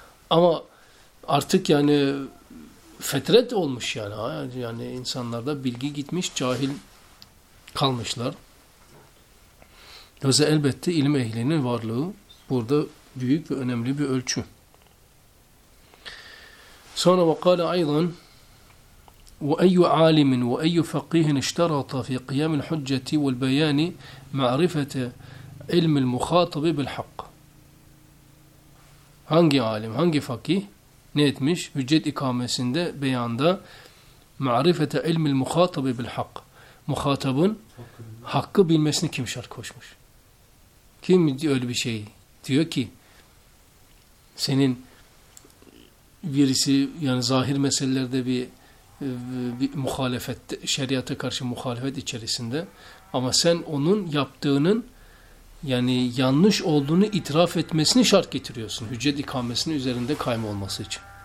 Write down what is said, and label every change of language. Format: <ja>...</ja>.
<tr>Ama artık yani fetret olmuş yani. Yani insanlarda bilgi gitmiş, cahil kalmışlar. Özellikle elbette ilim ehlinin varlığı burada büyük ve önemli bir ölçü. Sonra ve kâle aydan</tr> <ar>وأي عالم وأي فقيه اشترط في قيام الحجة والبيان معرفة علم المخاطب بالحق.</ar> <tr>Hangi alim, hangi fakih ne etmiş hüccet ikamesinde, beyanda</tr> <ar>معرفة علم المخاطب بالحق,</ar> <tr>muhatabın hakkı bilmesini kim şart koşmuş? Kim öyle bir şey diyor ki senin birisi yani zahir meselelerde bir muhalefet, şeriata karşı muhalefet içerisinde ama sen onun yaptığının yani yanlış olduğunu itiraf etmesini şart getiriyorsun hüccet ikamesinin üzerinde kaym olması için.</tr>